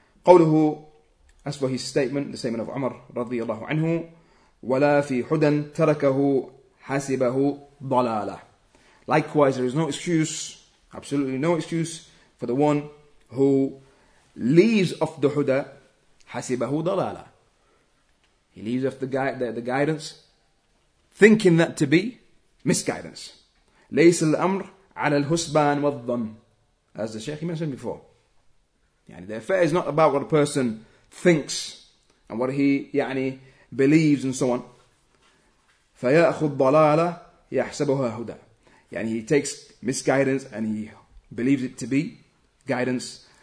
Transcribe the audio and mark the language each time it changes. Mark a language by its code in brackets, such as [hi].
[ar] قوله, [en] as for his statement, the statement of Umar [ar] رضي الله عنه, ولا في حدا تركه حسبه ضلالة. [en] Likewise, there is no excuse, absolutely no excuse, for the one who leaves off the huda, [ar] حسبه ضلالة. [en] He leaves off the guidance, thinking that to be misguidance. [ar] ليس الأمر على الهسبان والظن. [en] As the Shaykh mentioned before, يعني the affair is not about what a person thinks and what he يعني believes and so on. [ar] فيأخذ ضلالة يحسبها هدى. [en] يعني he takes misguidance and he believes it to be guidance.